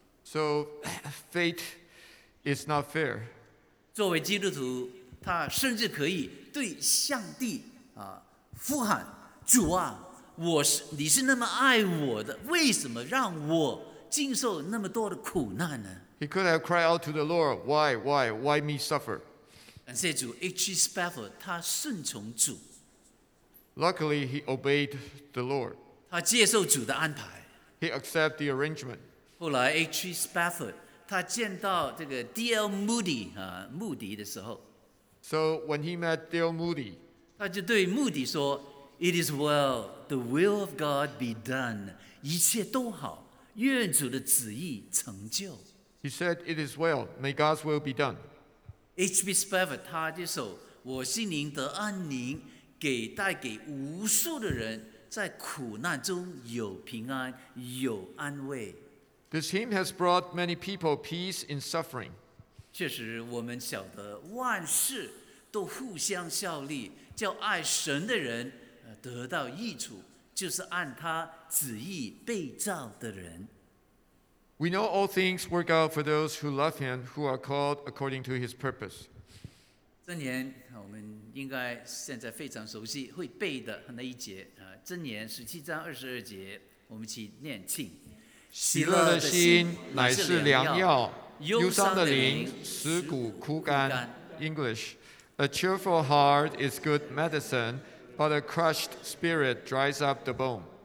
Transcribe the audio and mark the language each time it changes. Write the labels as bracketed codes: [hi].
[en] So fate is not fair。 [zh] 作为基督徒，他甚至可以对上帝啊呼喊：“主啊，你是那么爱我的，为什么让我经受那么多的苦难呢 [en] ？”He could have cried out to the Lord, "Why me suffer?" [zh] 感谢主 ，H. Spafford 他顺从主。 [en] Luckily, he obeyed the Lord. [zh] 他接受主的安排。 [en] He accepted the arrangement. [zh] 后来 ，H. Spafford 他见到这个 D.L. Moody 啊，穆迪的时候。 [en] So when he met D.L. Moody, 他就对穆迪说，"It is well, the will of God be done. [zh] 一切都好，愿主的旨意成就。 [en] "He said, "It is well. May God's will be done." [zh] H. B. Spafford 他就说，我心灵得安宁。带给无数的人在苦难中有平安有安慰 [en] This hymn has brought many people peace in suffering [zh] 确实我们晓得万事都互相效力叫爱神的人得到益处就是按他旨意被造的人 [en] We know all things work out for those who love him who are called according to his purpose [zh] 箴言我们应该现在非常熟悉会背的那一节箴言十七章二十二节我们起念请喜乐的心乃是良药忧伤的灵 [en] 使骨枯干 English A cheerful heart is good medicine but a crushed spirit dries up the bone